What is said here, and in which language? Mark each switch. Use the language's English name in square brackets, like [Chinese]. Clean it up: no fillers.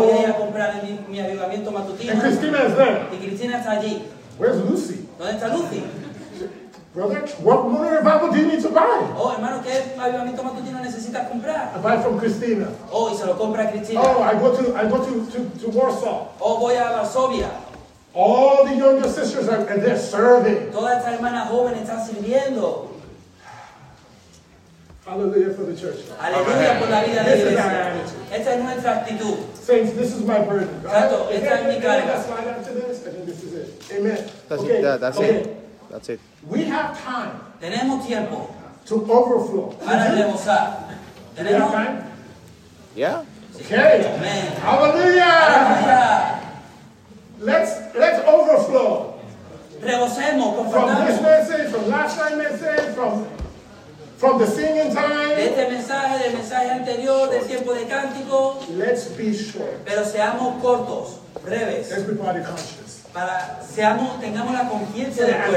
[Spanish] Voy a ir a comprar mi avivamiento matutino. [English] And Cristina is there. [Spanish] Y Cristina está allí. [English] Where's Lucy? [Spanish] ¿Dónde está Lucy? [English] Brother, what morning revival do you need to buy? [Spanish] Oh, hermano, ¿qué avivamiento matutino necesitas comprar? [English] I buy from Cristina. [Spanish] Oh, y se lo compra a Cristina. [English] Oh, I go to Warsaw. [Spanish] Oh, voy a Varsovia. [English] All the younger sisters are and they're serving. [Spanish] Todas estas hermanas jóvenes están sirviendo. [English] Hallelujah for the church. [Spanish] Aleluya por la vida de Dios. Esta es nuestra actitud. [English] Saints, this is my burden. [Spanish] Santo, esta es mi carga. [English] If you slide after this, I think this is it. Amen. That's it. We have time. [Spanish] Tenemos tiempo. [English] To overflow. [Spanish] Para rebosar. Tenemos time. [English] Yeah. Okay. Amen. Hallelujah. Let's overflow. [Spanish] Rebosemos, confortamos. [English] From this message, from last time message, from the singing time. [Spanish] Este mensaje, del mensaje anterior, del tiempo de cántico. [English] Let's be short. [Spanish] Pero seamos cortos, breves. [English] Let's be body conscious. [Spanish] Para tengamos la conciencia del cuerpo.